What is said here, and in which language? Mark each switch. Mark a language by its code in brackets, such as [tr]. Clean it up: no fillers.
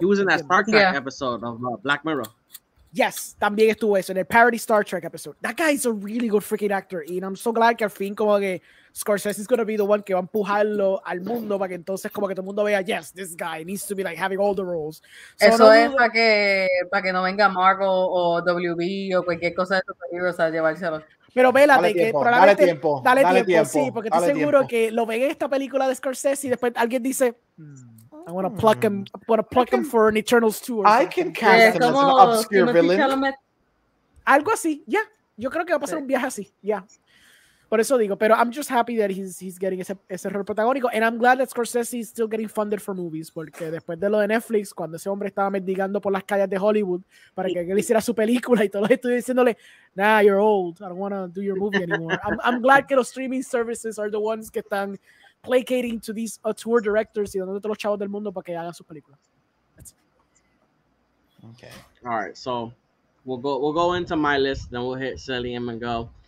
[en] He was in that Spartak episode of Black Mirror. [es] Yes, también estuvo eso, en el [en] parody Star Trek episode. That guy is a really good freaking actor. And I'm so glad [es] que al fin como que [en] Scorsese is going to be the one [es] que va a empujarlo al mundo para que entonces como que todo el mundo vea, [en] yes, this guy needs to be like having all the roles. [es] Eso no, es para que no venga Marvel o WB o cualquier cosa de superhéroes a llevárselo. Pero vélate, dale que tiempo, probablemente... Dale tiempo, sí, porque estoy seguro que lo ven en esta película de Scorsese y después alguien dice... [en] I want to pluck him. I want to pluck him for an Eternals 2. I can cast him as an obscure villain. [es] Algo así, yeah. Yo creo que va a pasar un viaje así, yeah. Por eso digo. [en] Pero I'm just happy that he's getting [es] ese rol protagónico, [en] and I'm glad that Scorsese is still getting funded for movies. [es] Porque después de lo de Netflix, cuando ese hombre estaba mendigando por las calles de Hollywood para que él hiciera su película y todo lo estoy diciéndole, [en] nah, you're old. I don't want to do your movie anymore. I'm glad que los streaming services are the ones que están placating to these tour directors y [es] dándote los chavos del mundo para que hagan sus películas. [en] Okay. All right, so we'll go into my list, then we'll hit Sally and Miguel.